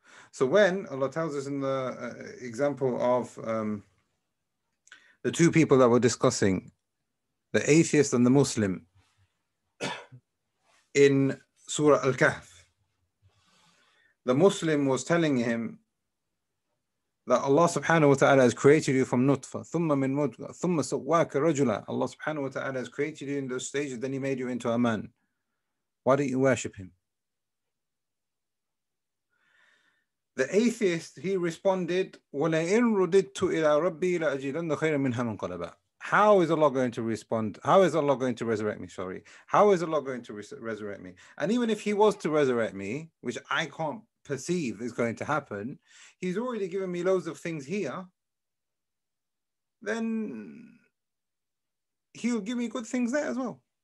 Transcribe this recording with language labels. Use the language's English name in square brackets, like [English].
[English] So when Allah tells us in the example of the two people that we're discussing, the atheist and the Muslim, in Surah Al-Kahf, the Muslim was telling him that Allah subhanahu wa ta'ala has created you from nutfa, [Arabic] thumma min mudga, thumma sawwaka rajula. [English] Allah subhanahu wa ta'ala has created you in those stages, then he made you into a man. Why don't you worship him? The atheist, he responded, [Arabic] وَلَئِنْ رُدِدْتُ إِلَىٰ رَبِّي لَأَجِدَنَّ خَيْرًا مِنْهَا مُنْقَلَبًا. [English] How is Allah going to respond? How is Allah going to resurrect me? Sorry. How is Allah going to resurrect me? And even if he was to resurrect me, which I can't perceive is going to happen, he's already given me loads of things here. Then he'll give me good things there as well.